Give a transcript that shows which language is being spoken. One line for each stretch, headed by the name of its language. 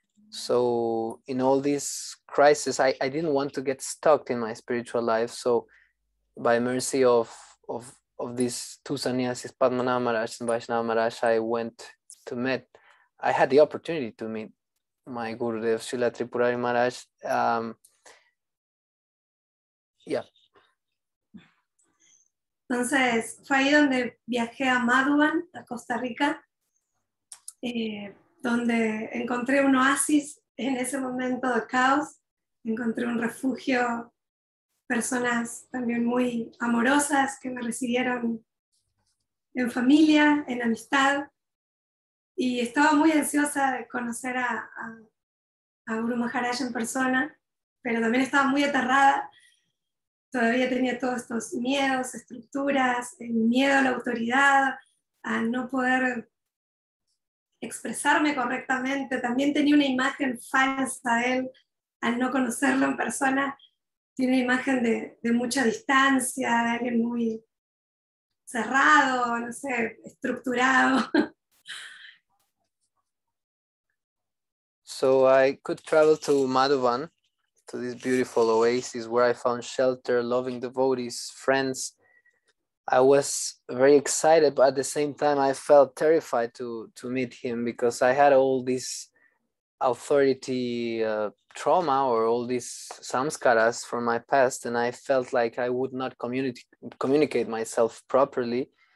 English: So in all this crisis, I didn't want to get stuck in my spiritual life. So by mercy of these two sannyasis, Padmanabha Maharaj and Vaishnava Maharaj, I had the opportunity to meet my Gurudev, Srila Tripurari Maharaj.
Spanish: Entonces, fue ahí donde viajé a Maduan, a Costa Rica, donde encontré un oasis en ese momento de caos. Encontré un refugio, personas también muy amorosas que me recibieron en familia, en amistad. Y estaba muy ansiosa de conocer a Guru Maharaj en persona, pero también estaba muy aterrada. Todavía tenía todos estos miedos, estructuras, el miedo a la autoridad, a no poder expresarme correctamente. También tenía una imagen falsa de él al no conocerlo en persona. Tiene una imagen de mucha distancia, de alguien muy cerrado, no sé, estructurado.
English: So I could travel to Madhuban, to this beautiful oasis where I found shelter, loving devotees, friends. I was very excited, but at the same time, I felt terrified to meet him because I had all this authority trauma or all these samskaras from my past, and I felt like I would not communicate myself properly.